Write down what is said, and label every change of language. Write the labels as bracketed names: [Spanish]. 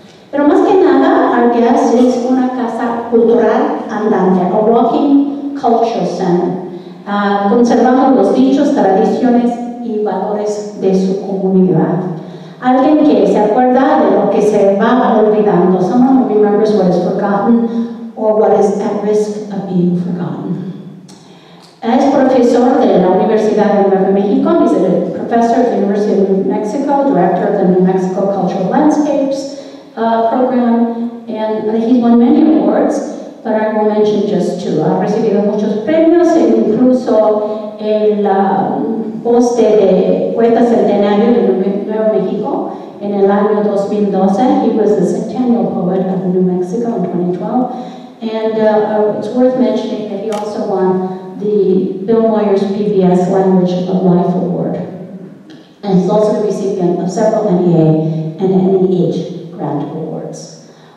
[Spanish] Pero más que nada, Arias es una casa cultural andante, [English] a walking culture center. [Spanish] Conservamos los dichos, tradiciones y valores de su comunidad. Alguien que se acuerda de lo que se va olvidando. [English] Someone who remembers what is forgotten or what is at risk of being forgotten. [Spanish] Es profesor de la Universidad de Nuevo México. [English] He's a professor of the University of New Mexico, director of the New Mexico Cultural Landscapes program, and he's won many awards, but I will mention just two. [Spanish] Ha recibido muchos premios, e incluso el poste de poeta centenario de Nuevo México en el año 2012. [English] He was the centennial poet of New Mexico in 2012. And it's worth mentioning that he also won the Bill Moyers PBS Language of Life Award. And he's also the recipient of several NEA and NEH grant awards.